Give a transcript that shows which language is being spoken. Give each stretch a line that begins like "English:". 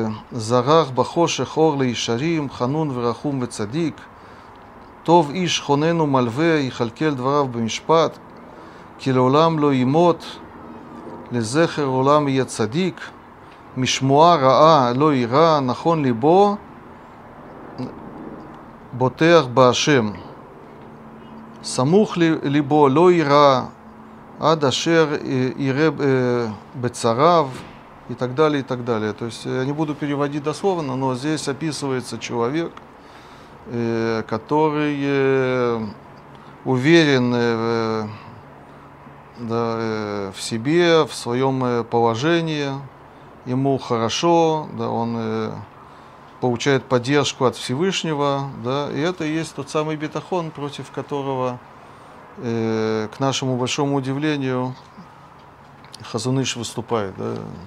Hebrew: зарах бахошех ор леешарим, ханун врахум вецадик, טוב איש חוננו מלווה יחלקל דבריו במשפט, כי לעולם לא ימות, לזכר עולם יהיה צדיק, משמועה רעה לא יירא, נכון ליבו, בוטח בהשם. סמוך ליבו לא יירא, עד אשר יירא בצריו,
Russian: и так далее, и так далее. То есть я не буду переводить дословно, но здесь описывается человек, который уверен да, в себе, в своем положении, ему хорошо, да, он получает поддержку от Всевышнего, да, и это и есть тот самый бетахон, против которого, к нашему большому удивлению, Хазон Иш выступает. Да.